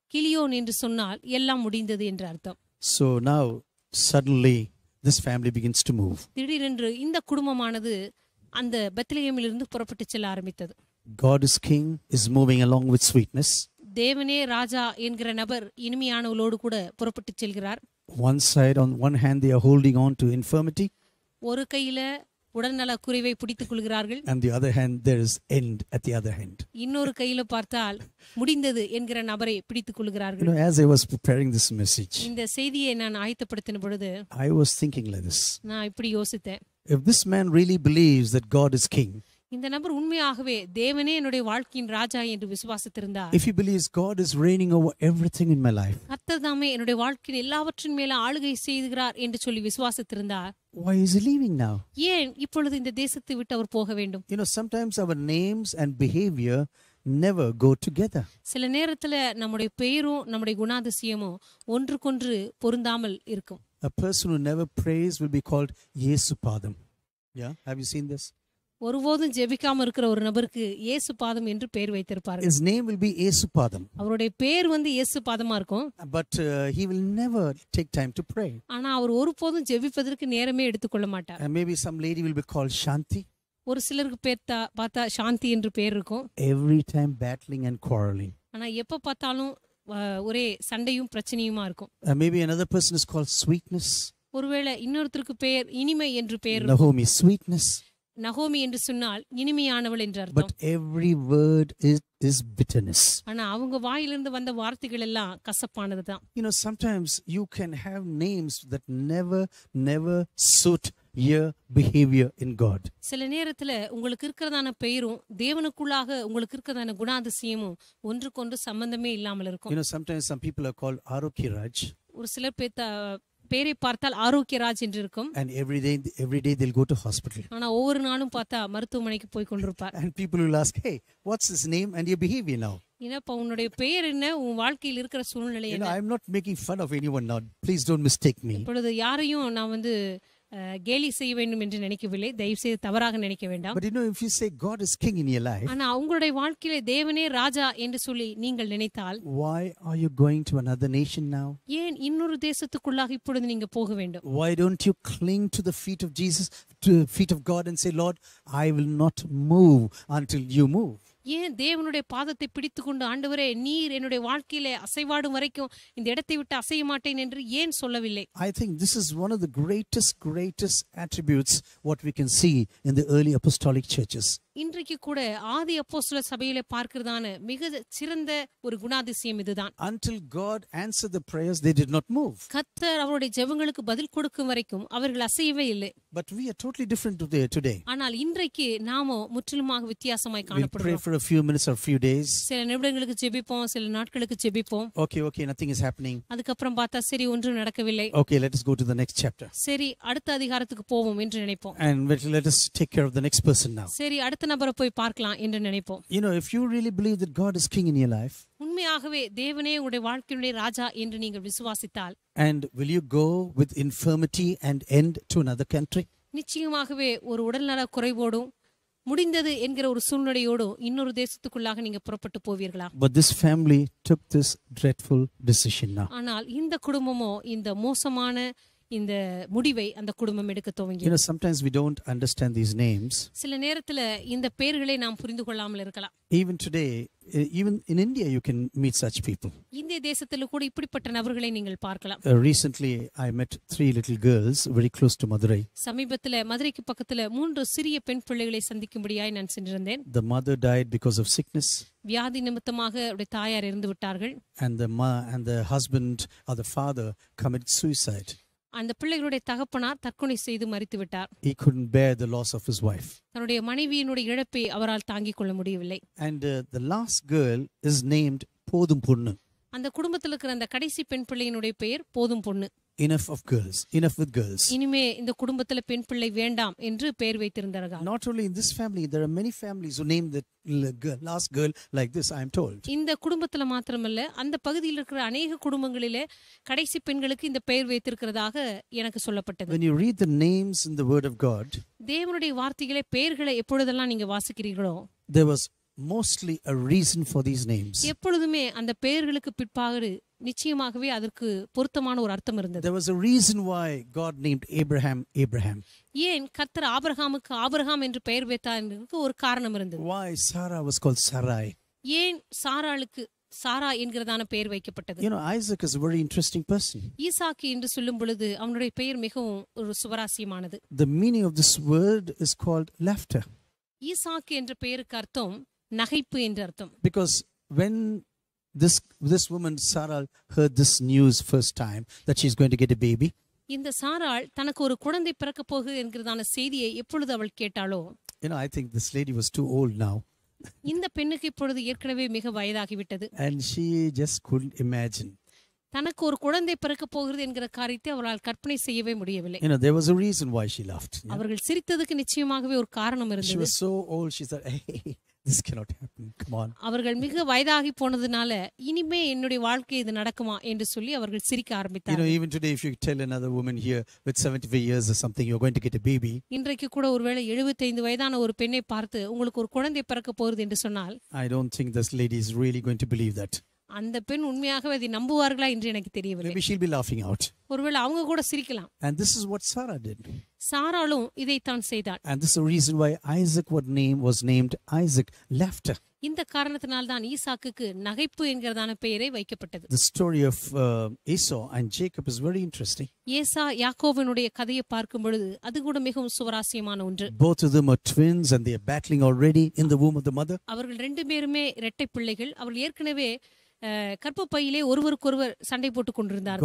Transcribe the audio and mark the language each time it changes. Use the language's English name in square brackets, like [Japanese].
[Tamil] கிளியோன் என்று சொன்னால் எல்லாம் முடிந்தது என்று அர்த்தம். [English] So now suddenly this family begins to move. [Tamil] திடீரென்று இந்த குடும்பமானது அந்த பெத்லகேமிலிருந்து புறப்பட்டு செல்ல ஆரம்பித்தது. [English] God is king is moving along with sweetness. [Tamil] தேவனே ராஜா என்கிற நபர் இனிமையானவளோடு கூட புறப்பட்டு செல்கிறார். [English] One side on one hand they are holding on to infirmity. [Tamil] ஒரு கையில உடல்நல குறைவை பிடித்துக் கொள்கிறார்கள். [English] And the other hand there is end at the other hand. [Tamil] இன்னொரு கையில பார்த்தால் முடிந்தது என்கிற நபரை பிடித்துக் கொள்கிறார்கள். [English] You know, as I was preparing this message. [Tamil] இந்த செய்தியை நான் ஆயத்தப்படுத்தின பொழுது [English] I was thinking like this. [Tamil] நான் இப்படி யோசித்தேன். [English] If this man really believes that God is king. [Tamil] இந்த நபர் உண்மையாகவே தேவனே என்னுடைய வாழ்க்கையின் ராஜா என்று விசுவாசித்திருந்தார். [English] If he believes God is reigning over everything in my life. [Tamil] கர்த்தர்தாமே என்னுடைய வாழ்க்கையின் எல்லாவற்றின் மேல் ஆளுகை செய்கிறார் என்று சொல்லி விசுவாசித்திருந்தார். [English] Why is he leaving now? [Tamil] ஏன் இப்பொழுது இந்த தேசத்தை விட்டு அவர் போக வேண்டும்? [English] You know sometimes our names and behavior never go together. [Tamil] சில நேரத்துல நம்முடைய பெயரும் நம்முடைய குணாதிசயமும் ஒன்றுக்கொன்று பொருந்தாமல் இருக்கும். [English] A person who never prays will be called Yesu Padam. Yeah, have you seen this? [Tamil] ஒருபோதும் ஜெபிக்காம இருக்கிற ஒரு நபருக்கு இயேசு பாதம் என்று பெயர் வைத்திருப்பார். [English] His name will be Yesu Padam. [Tamil] அவருடைய பெயர் வந்து இயேசு பாதமா இருக்கும். [English] But he will never take time to pray. [Tamil] ஆனா அவர் ஒருபோதும் ஜெபிப்பதற்கு நேரமே எடுத்துக்கொள்ள மாட்டார். [English] And maybe some lady will be called Shanti. [Tamil] ஒரு சிலருக்கு பார்த்தா சாந்தி என்று பெயர் இருக்கும். [English] Every time battling and quarreling. [Tamil] ஆனா எப்ப பார்த்தாலும் ஒரே சண்டையும் பிரச்சனையுமா இருக்கும். [English] Maybe another person is called Sweetness. [Tamil] ஒருவேளை இன்னொருத்தருக்கு பெயர் இனிமை என்று பெயர் இருக்கும். [English] Nahomi Sweetness. [Tamil] நகோமி என்று சொன்னால் இனிமையானவள் என்று அர்த்தம். [English] But every word is bitterness. [Tamil] ஆனா அவங்க வாயிலிருந்து வந்த வார்த்தைகள் எல்லாம் கசப்பானது தான். [English] You know sometimes you can have names that never suit your behavior in God. [Tamil] சில நேரத்துல உங்களுக்கு இருக்கிறதான பெயரும் தேவனுக்குள்ளாக உங்களுக்கு இருக்கிறதான குணாதிசயமும் ஒன்றுக்கொன்று சம்பந்தமே இல்லாமல் இருக்கும். [English] You know sometimes some people are called Aroki Raj. [Tamil] ஒரு சிலர் பேரை பார்த்தால் ஆரோக்கிய ராஜ் என்று இருக்கும். [English] And every day they'll go to hospital. [Tamil] ஆனா ஒவ்வொரு நாளும் பார்த்தா மருத்துவமனைக்கு போய் கொண்டிருப்பார். [English] And people will ask, "Hey, what's his name and your behavior now?" [Tamil] இன்னப்ப உன்னுடைய பெயர் என்ன உன் வாழ்க்கையில் இருக்கிற சூழ்நிலை என்ன? [English] I'm not making fun of anyone now. Please don't mistake me. [Tamil] இப்பொழுது யாரையும் நான் வந்து கேலி செய்ய வேண்டும் என்று நினைக்கவில்லை. தயவு செய்து தவறாக நினைக்க வேண்டாம். [English] But you know if you say God is king in your life. [Tamil] ஆனா உங்களுடைய வாழ்க்கையில தேவனே ராஜா என்று சொல்லி நீங்கள் நினைத்தால் [English] Why are you going to another nation now? [Tamil] ஏன் இன்னொரு தேசத்துக்குள்ளாக இப்பொழுது நீங்க போக வேண்டும்? [English] Why don't you cling to the feet of Jesus to the feet of God and say Lord I will not move until you move. [Tamil] ஏன் தேவனுடைய பாதத்தை பிடித்து கொண்டு ஆண்டவரே நீர் என்னுடைய வாழ்க்கையில அசைவாடும் வரைக்கும் இந்த இடத்தை விட்டு அசைய மாட்டேன் என்று ஏன் சொல்லவில்லை? [English] I think this is one of the greatest attributes what we can see in the early apostolic churches. [Tamil] இன்றைக்கு கூட ஆதி அப்போஸ்தல சபையிலே பார்க்கிறதான மிக சிறந்த ஒரு குணாதிசயம் இதுதான். [English] Until God answered the prayers they did not move. [Tamil] கர்த்தர் அவருடைய ஜெபங்களுக்கு பதில் கொடுக்கும் வரைக்கும் அவர்கள் அசையவே இல்லை. [English] But we are totally different today. [Tamil] ஆனால் இன்றைக்கு நாமோ முற்றிலுமாக வித்தியாசமாய் காணப்படுகிறோம். [English] For a few minutes or a few days. [Tamil] சில நிமிடங்களுக்கு ஜெபிப்போம், சில நாட்களுக்கு ஜெபிப்போம். [English] Okay, nothing is happening. [Tamil] அதுக்கு அப்புறம் பார்த்தா சரி ஒன்றும் நடக்கவில்லை. [English] Okay, let us go to the next chapter. [Tamil] சரி அடுத்த அதிகாரத்துக்கு போவோம் என்று நினைப்போம். [English] And let us take care of the next person now. [Tamil] சரி அடுத்த நபரை போய் பார்க்கலாம் என்று நினைப்போம். [English] You know, if you really believe that God is king in your life. [Tamil] உண்மையாகவே தேவனே உங்களுடைய வாழ்க்கையுடைய ராஜா என்று நீங்கள் விசுவாசித்தால். [English] And will you go with infirmity and end to another country? [Tamil] நிச்சயமாகவே ஒரு உடல்நல குறைவோடும் முடிந்தது என்கிற ஒரு சூழ்நிலையோடும் இன்னொரு தேசத்துக்குள்ளாக நீங்க புறப்பட்டு போவீர்களா? [English] But this family took this dreadful decision now. [Tamil] ஆனால் இந்த குடும்பமோ இந்த மோசமான இந்த முடிவை அந்த குடும்பம் எடுக்க துவங்கி. [English] You know sometimes we don't understand these names. [Tamil] சில நேரத்துல இந்த பெயர்களை நாம் புரிந்து கொள்ளாமல் இருக்கலாம். [English] Even today even in India you can meet such people. [Tamil] இந்த தேசத்துல கூட இப்படிப்பட்ட நபர்களை நீங்கள் பார்க்கலாம். [English] Recently I met three little girls very close to Madurai. [Tamil] சமீபத்துல மதுரைக்கு பக்கத்துல மூன்று சிறிய பெண் பிள்ளைகளை சந்திக்கும்படியாய் நான் சென்றிருந்தேன். [English] The mother died because of sickness. [Tamil] வியாதி நிமித்தமாக அவருடைய தாயார் இறந்து விட்டார்கள். [English] And the husband or the father committed suicide. [Tamil] அந்த பிள்ளைகளுடைய தகப்பனார் தற்கொலை செய்து மரித்து விட்டார். [English] He couldn't bear the loss of his wife. [Tamil] தன்னுடைய மனைவியினுடைய இழப்பை அவரால் தாங்கிக் கொள்ள முடியவில்லை. [English] And the last girl is named Pothum Ponnu. [Tamil] அந்த குடும்பத்தில் இருக்கிற அந்த கடைசி பெண் பிள்ளையினுடைய பெயர் போதும் பொண்ணு. [English] Enough of girls, enough with girls. [Tamil] இனிமே இந்த குடும்பத்தில் பெண் பிள்ளை வேண்டாம் என்று பெயர் வைத்திருந்தார்கள். [English] Not only in this family, there are many families who name the last girl like this, I am told. [Tamil] இந்த குடும்பத்தில் மாத்திரமல்ல அந்த பகுதியில் இருக்கிற அநேக குடும்பங்களிலே கடைசி பெண்களுக்கு இந்த பெயர் வைத்திருக்கிறதாக எனக்கு சொல்லப்பட்டது. [English] When you read the names in the word of God, [Tamil] தேவனுடைய வார்த்தைகளை பெயர்களை எப்பொழுதெல்லாம் நீங்க வாசிக்கிறீர்களோ, [English] there was mostly a reason for these names. [Tamil] எப்பொழுதுமே அந்த பெயர்களுக்கு பிற்பாக நிச்சயமாகவே அதற்கு பொருத்தமான ஒரு அர்த்தம் இருந்தது. [English] There was a reason why God named Abraham Abraham. [Tamil] ஏன் கர்த்தர் ஆபிரகாமுக்கு ஆபிரகாம் என்று பெயர் வைத்தார் என்றதுக்கு ஒரு காரணம் இருந்தது. [English] Why Sarah was called Sarai. [Tamil] ஏன் சாராளுக்கு சாரா என்கிறதான பெயர் வைக்கப்பட்டது. [English] You know, Isaac is a very interesting person. [Tamil] ஈசாக்கு என்று சொல்லும் பொழுது அவனுடைய பெயர் மிகவும் ஒரு சுவாரஸ்யமானது. [English] The meaning of this word is called laughter. [Tamil] ஈசாக்கு என்ற பெயருக்கு அர்த்தம் நகைப்பு என்ற அர்த்தம். [English] Because when this woman Sarah heard this news first time that she is going to get a baby, [Tamil] இந்த சாராள் தனக்கு ஒரு குழந்தை பிறக்க போகுது என்கிறதான செய்தியை எப்பொழுது அவள் கேட்டாளோ, [English] you know, I think this lady was too old now. [Tamil] இந்த பெண்ணுக்கு இப்பொழுது ஏற்கனவே மிக வயதாகி விட்டது. [English] And she just couldn't imagine [Tamil] தனக்கு ஒரு குழந்தை பிறக்க போகிறது என்கிற காரியத்தை அவளால் கற்பனை செய்யவே முடியவில்லை. [English] You know, there was a reason why she laughed. Yeah. [Tamil] அவர்கள் சிரித்ததுக்கு நிச்சயமாகவே ஒரு காரணம் இருந்தது. [English] She was so old, she said, hey, this cannot happen, come on. [Tamil] அவர்கள் மிக வயதாகி போனதுனால இனிமே என்னுடைய வாழ்க்கை இது நடக்குமா என்று சொல்லி அவர்கள் சிரிக்க ஆரம்பித்தார்கள். [English] You know, even today if you tell another woman here with 75 years or something you're going to get a baby, [Tamil] இன்றைக்கு கூட ஒருவேளை 75 வயதான ஒரு பெண்ணை பார்த்து உங்களுக்கு ஒரு குழந்தை பிறக்க போகிறது என்று சொன்னால், [English] I don't think this lady is really going to believe that. [Tamil] அந்த பெண் உண்மையாகவே அதை நம்புவார்களா என்று எனக்கு தெரியவில்லை. [English] Maybe she'll be laughing out. [Tamil] ஒருவேளை அவங்க கூட சிரிக்கலாம். [English] And this is what Sarah did. [Tamil] சாராளும் இதை தான் செய்தாள். [English] And this is the reason why Isaac was named Isaac, laughter. [Tamil] இந்த காரணத்தினால் தான் ஈசாக்குக்கு நகைப்பு என்கிறதான பெயரை வைக்கப்பட்டது. [English] The story of Esau and Jacob is very interesting. [Tamil] ஏசா யாக்கோபினுடைய கதையை பார்க்கும் பொழுது அது கூட மிகவும் சுவாரஸ்யமான ஒன்று. [English] Both of them are twins and they are battling already in the womb of the mother. [Tamil] அவர்கள் ரெண்டு பேருமே இரட்டை பிள்ளைகள். அவர்கள் ஏற்கனவே கற்ப பையிலே ஒருவருக்கொருவர் சண்டை போட்டுக் கொண்டிருந்தார்.